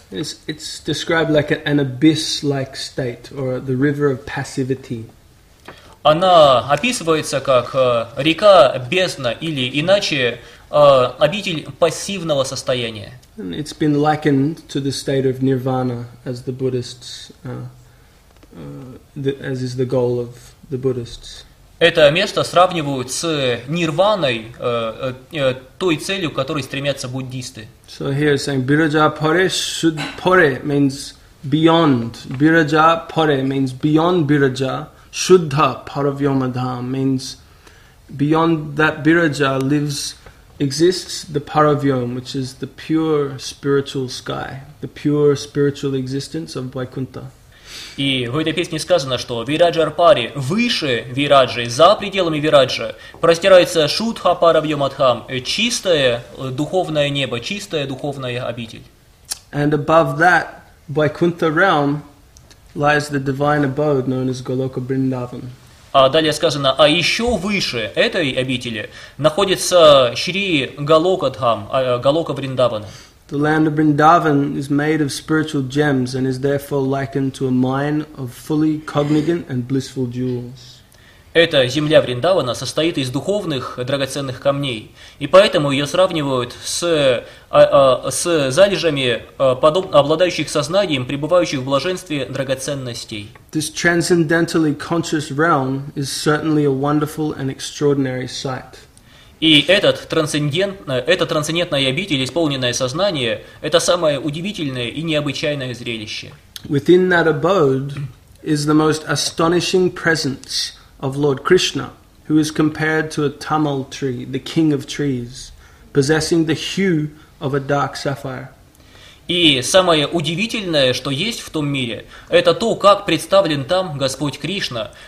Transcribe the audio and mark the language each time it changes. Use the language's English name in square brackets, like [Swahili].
[English] It's described like an abyss-like state or the river of passivity. [Russian] Она описывается как река бездна или иначе обитель пассивного состояния. [English] And it's been likened to the state of nirvana as the Buddhists as is the goal of the Buddhists. [Russian] Это место сравнивают с нирваной, той целью, к которой стремятся буддисты. [English] So here it's saying Birja Pore should Pore means beyond. Birja Pore means beyond Birja. Shuddha Paravyoma Dham means beyond that Birja exists the Paravyom, which is the pure spiritual sky, the pure spiritual existence of Vaikuntha. [Russian] И в этой песне сказано, что Вираджа Арпари, выше Вираджи, за пределами Вираджа, простирается Шудха Паравьямадхам, чистое духовное небо, чистая духовная обитель. [English] And above that Vaikuntha realm lies the divine abode known as Goloka Vrindavan. [Russian] А далее сказано, а еще выше этой обители находится Шри Галокадхам, Галока Вриндавана. [English] The land of Vrindavan is made of spiritual gems and is therefore likened to a mine of fully cognizant and blissful jewels. [Russian] Эта земля Вриндавана состоит из духовных драгоценных камней, и поэтому ее сравнивают с залежами обладающих сознанием, пребывающих в блаженстве драгоценностей. [English] This transcendentally conscious realm is certainly a wonderful and extraordinary sight. [Russian] И эта трансцендентная обитель, исполненное сознание, это самое удивительное и необычайное зрелище. [English] Within that abode is the most astonishing presence of Lord Krishna, who is compared to a tamal tree, the king of trees, possessing the hue of a dark sapphire. [Russian] И самое удивительное, что есть в том мире, это то, как представлен там Господь Кришна.